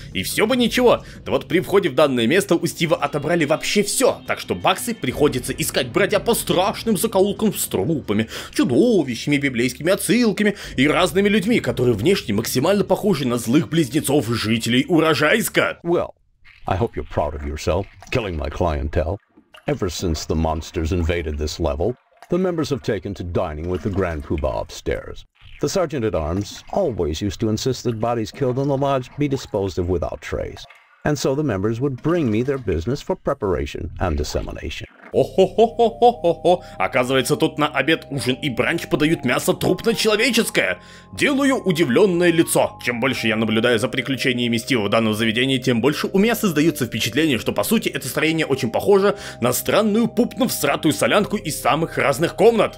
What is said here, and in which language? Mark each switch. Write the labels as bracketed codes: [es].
[ru] И все бы ничего, да вот при входе в данное место у Стива отобрали вообще все. Так что баксы приходится искать, бродя по страшным закоулкам с трупами, чудовищами, библейскими отсылками и разными людьми, которые внешне максимально похожи на злых близнецов жителей Урожайска. [en] Well, I hope you're proud of yourself, killing my clientele. Ever since the monsters invaded this level, the members have taken to dining with the Grand Poobah upstairs. The sergeant-at-arms always used to insist that bodies killed in the lodge be disposed of without trace. And so the members would bring me their business for preparation and dissemination. [ru] О-хо-хо-хо-хо-хо-хо! Оказывается, тут на обед, ужин и бранч подают мясо трупно-человеческое! Делаю удивленное лицо! Чем больше я наблюдаю за приключениями Стива в данном заведении, тем больше у меня создаются впечатления, что по сути это строение очень похоже на странную пупно-всратую солянку из самых разных комнат.